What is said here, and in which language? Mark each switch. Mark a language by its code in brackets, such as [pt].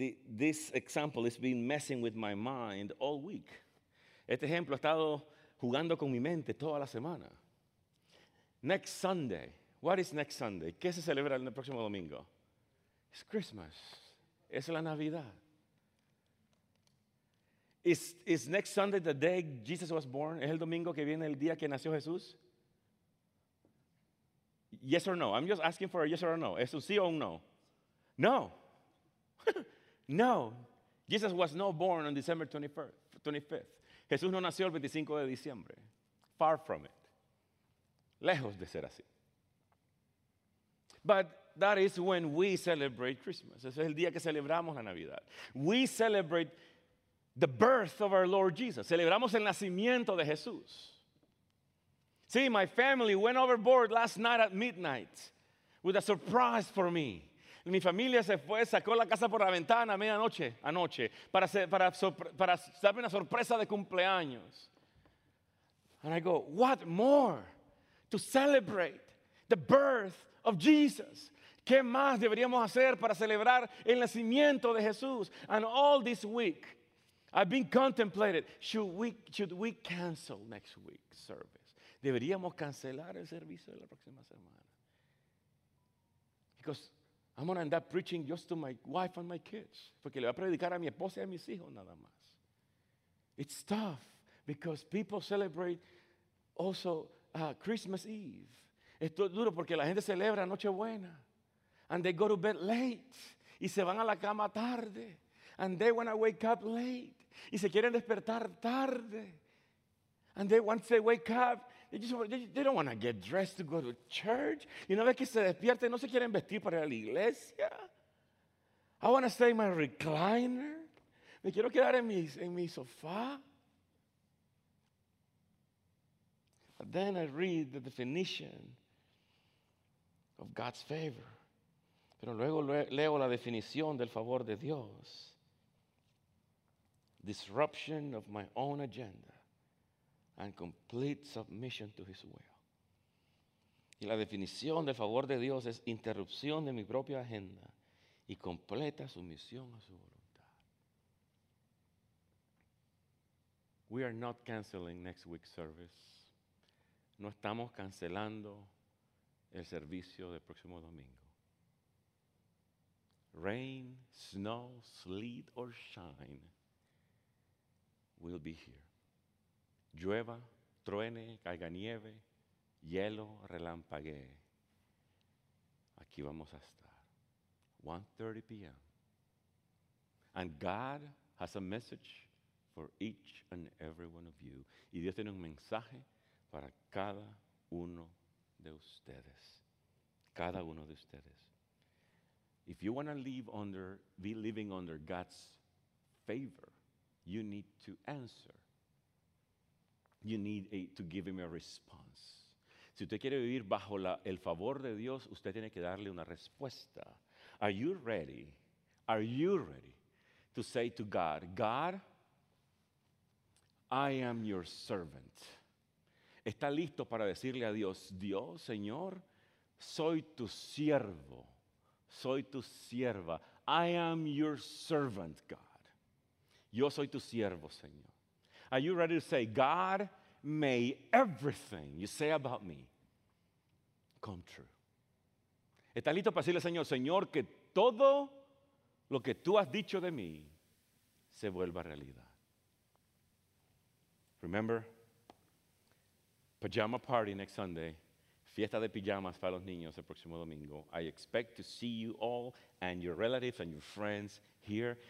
[en] This example has been messing with my mind all week. [es] Este ejemplo ha estado jugando con mi mente toda la semana. [en] Next Sunday. What is next Sunday? [es] ¿Qué se celebra el próximo domingo? [en] It's Christmas. [es] Es la Navidad. [en] Is next Sunday the day Jesus was born? [es] ¿Es el domingo que viene el día que nació Jesús? [en] Yes or no? I'm just asking for a yes or a no. [es] ¿Es un sí o un no? No. No. [en] Jesus was not born on December 25th. [es] Jesús no nació el 25 de diciembre. [en] Far from it. [es] Lejos de ser así. [en] But that is when we celebrate Christmas. [es] Ese es el día que celebramos la Navidad. [en] We celebrate the birth of our Lord Jesus. [es] Celebramos el nacimiento de Jesús. [en] See, my family went overboard last night at midnight with a surprise for me. [es] Mi familia se fue, sacó la casa por la ventana a medianoche, anoche, para darme una sorpresa de cumpleaños. [en] And I go, what more to celebrate? the birth of Jesus. [es] ¿Qué más deberíamos hacer para celebrar el nacimiento de Jesús? [en] And all this week, I've been contemplated, should we cancel next week's service? [es] ¿Deberíamos cancelar el servicio de la próxima semana? [en] Because I'm going to end up preaching just to my wife and my kids. [es] Porque le voy a predicar a mi esposa y a mis hijos nada más. [en] It's tough because people celebrate also Christmas Eve. [es] Esto es duro porque la gente celebra Nochebuena. [en] And they go to bed late. [es] Y se van a la cama tarde. [en] And they want to wake up late. [es] Y se quieren despertar tarde. [en] And they once they wake up, they don't want to get dressed to go to church. [es] Y una vez que se despierten, no se quieren vestir para ir a la iglesia. [en] I want to stay in my recliner. [es] Me quiero quedar en mi sofá. [en] But then I read the definition of God's favor. [es] Pero luego leo la definición del favor de Dios. [en] Disruption of my own agenda and complete submission to his will. [es] Y la definición del favor de Dios es interrupción de mi propia agenda y completa sumisión a su voluntad. [en] We are not canceling next week's service. [es] No estamos cancelando el servicio del próximo domingo. [en] Rain, snow, sleet, or shine, we'll be here. [es] Llueva, truene, caiga nieve, hielo, relampague. Aquí vamos a estar. 1:30 p.m. [en] And God has a message for each and every one of you. [es] Y Dios tiene un mensaje para cada uno de ustedes. Cada uno de ustedes. [en] If you want to be living under God's favor, you need to answer. You need to give him a response. [es] Si usted quiere vivir bajo el favor de Dios, usted tiene que darle una respuesta. [en] Are you ready? Are you ready to say to God, God, I am your servant. [es] ¿Está listo para decirle a Dios, Dios, Señor, soy tu siervo? Soy tu sierva. [en] I am your servant, God. [es] Yo soy tu siervo, Señor. [en] Are you ready to say, God, may everything you say about me come true? [es] ¿Estás listo para decirle, Señor, Señor, que todo lo que tú has dicho de mí se vuelva realidad? [en] Remember, pajama party next Sunday. [es] Fiesta de pijamas para los niños el próximo domingo. [en] I expect to see you all and your relatives and your friends here.